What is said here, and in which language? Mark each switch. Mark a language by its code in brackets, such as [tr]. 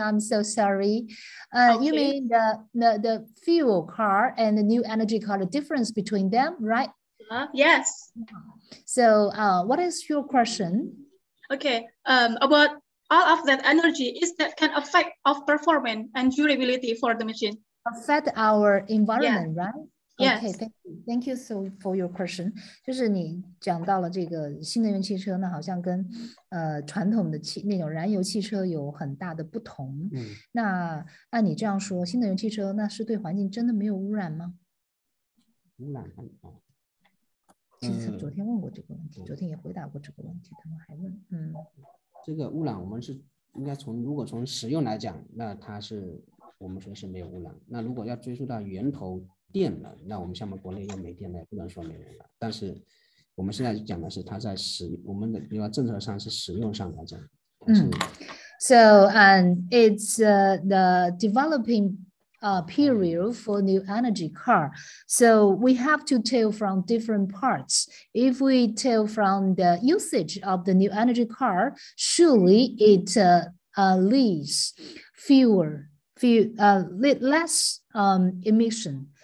[en] I'm so sorry. You mean the fuel car and the new energy car, the difference between them, right? Yes. So what is your question? Okay, about all of that energy, is that can affect of performance and durability for the machine? Affect our environment, yeah. Right? Okay, yes. Thank you so for your question. [zh] 就是你讲到了这个新能源汽车呢，好像跟传统的那种燃油汽车有很大的不同。嗯、那按你这样说，新能源汽车那是对环境真的没有污染吗？污染很大。昨天问过这个问题，昨天也回答过这个问题，他们还问，嗯，这个污染我们是应该从如果从使用来讲，那它是我们说是没有污染。那如果要追溯到源头。电能，那我们像我们国内用煤电呢，不能说没有了。但是我们现在讲的是它在使我们的，比如说政策上是使用上来讲。 [en] So it's the developing period for new energy car. So we have to tell from different parts. If we tell from the usage of the new energy car, surely it leaves less emission.